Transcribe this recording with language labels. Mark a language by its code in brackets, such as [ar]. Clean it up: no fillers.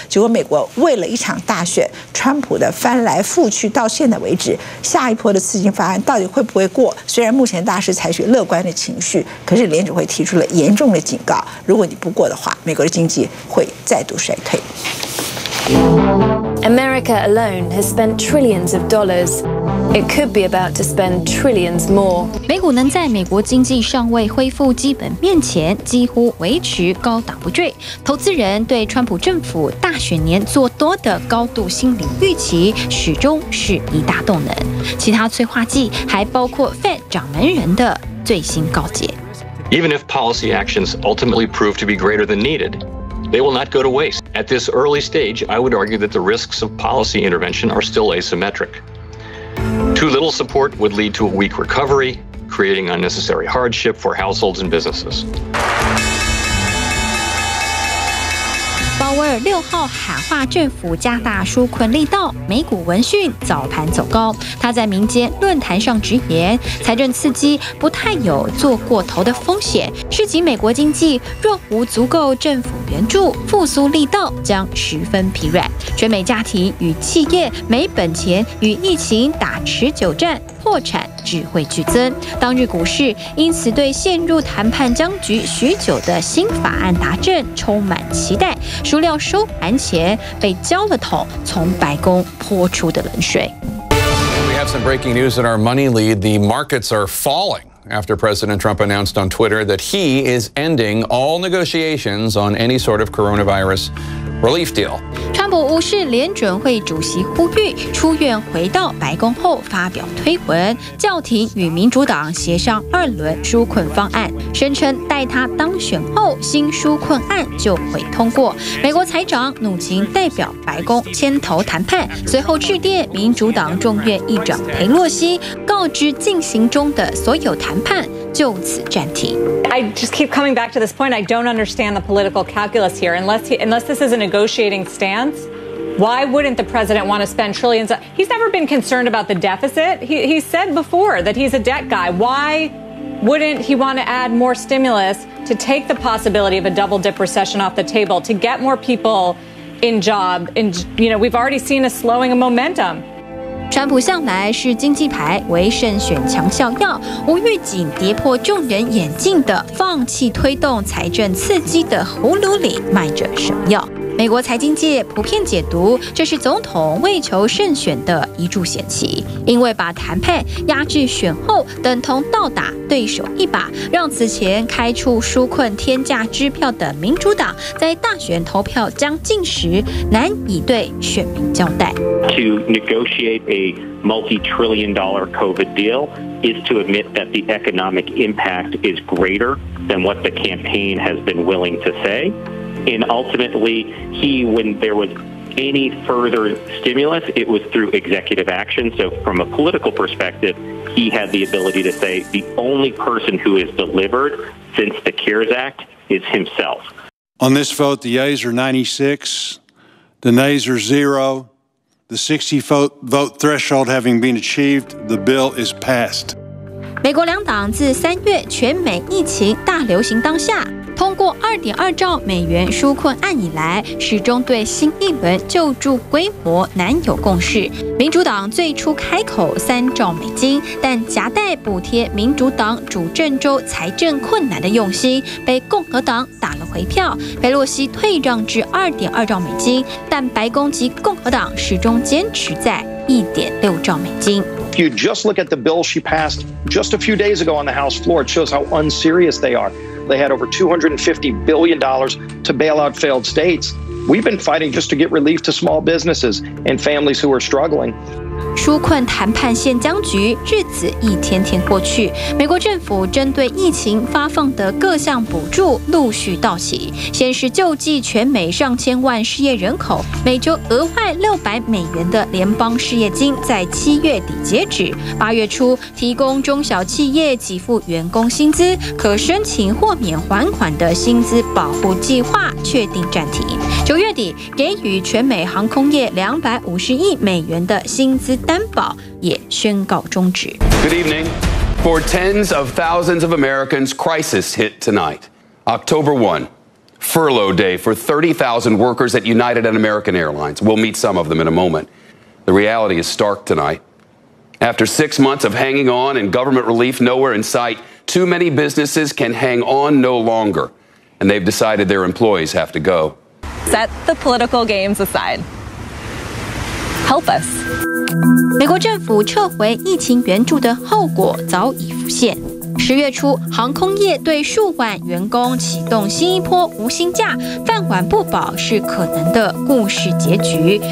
[zh] 结果美国为了一场大选，川普的翻来覆去到现在为止，下一波的刺激方案到底会不会过？虽然目前大势采取乐观的情绪，可是联准会提出了严重的警告，如果你不过的话，美国的经济会再度衰退。 [en] America alone has spent trillions of dollars. It could be about to spend trillions more. [zh] 美股能在美国经济尚未恢复基本面前几乎维持高档不坠，投资人对川普政府大选年做多的高度心理预期始终是一大动能。其他催化剂还包括 Fed 掌门人的最新告诫。 [en] Even if policy actions ultimately prove to be greater than needed, they will not go to waste. At this early stage, I would argue that the risks of policy intervention are still asymmetric. Too little support would lead to a weak recovery, creating unnecessary hardship for households and businesses. [zh] 鲍威尔6号喊话政府加大纾困力道，美股闻讯早盘走高。他在民间论坛上直言，财政刺激不太有做过头的风险，是指美国经济若无足够政府援助，复苏力道将十分疲软。全美家庭与企业没本钱与疫情打持久战，破产只会剧增。当日股市因此对陷入谈判僵局许久的新法案达阵充满期待，孰料收盘前被浇了桶从白宫泼出的冷水。 [en] We have some breaking news in our money lead. The markets are falling after President Trump announced on Twitter that he is ending all negotiations on any sort of coronavirus relief deal. [zh] 川普无视联准会主席呼吁出院回到白宫后发表推文，叫停与民主党协商二轮纾困方案，声称待他当选后新纾困案就会通过。美国财长努钦代表白宫牵头谈判，随后致电民主党众院议长佩洛西，告知进行中的所有谈判就此暂停。 [en] I just keep coming back to this point. I don't understand the political calculus here. Unless this is a negotiating stance, why wouldn't the president want to spend trillions? He's never been concerned about the deficit. He said before that he's a debt guy. Why wouldn't he want to add more stimulus to take the possibility of a double dip recession off the table, to get more people in job? And, you know, we've already seen a slowing of momentum. [zh] 川普向来是经济牌为胜选强效药，无预警跌破众人眼镜的放弃推动财政刺激的葫芦里卖着什么药。美国财经界普遍解读，这是总统为求胜选的一柱险棋，因为把谈判压制选后等同倒打对手一把，让此前开出纾困天价支票的民主党在大选投票将近时难以对选民交代。 [en] To negotiate a multi-trillion dollar COVID deal is to admit that the economic impact is greater than what the campaign has been willing to say. And ultimately, he, when there was any further stimulus, it was through executive action. So from a political perspective, he had the ability to say the only person who has delivered since the CARES Act is himself. On this vote, the yeas are 96, the nays are 0. The 60-vote threshold having been achieved, the bill is passed. [zh] 美国两党自3月全美疫情大流行当下通过2.2兆美元纾困案以来，始终对新一轮救助规模难有共识。民主党最初开口3兆美金，但夹带补贴民主党主政州财政困难的用心，被共和党打了回票。佩洛西退让至2.2兆美金，但白宫及共和党始终坚持在1.6兆美金。 [en] You just look at the bill she passed just a few days ago on the House floor. It shows how unserious they are. They had over $250 billion to bail out failed states. We've been fighting just to get relief to small businesses and families who are struggling. [zh] 纾困谈判现僵局，日子一天天过去。美国政府针对疫情发放的各项补助陆续到期，先是救济全美上千万失业人口，每周额外600美元的联邦失业金在7月底截止，8月初提供中小企业给付员工薪资，可申请豁免还款的薪资保护计划确定暂停。 9月底给予全美航空业250亿美元的薪资担保也宣告终止。 [en] Good evening. For tens of thousands of Americans, crisis hit tonight. October 1, furlough day for 30,000 workers at United and American Airlines. We'll meet some of them in a moment. The reality is stark tonight. After 6 months of hanging on and government relief nowhere in sight, too many businesses can hang on no longer, and they've decided their employees have to go. Set the political games aside. Help us. [zh] 美国政府撤回疫情援助的后果早已浮现。 10月初，航空业对数万员工启动新一波无薪假，饭碗不保是可能的故事结局。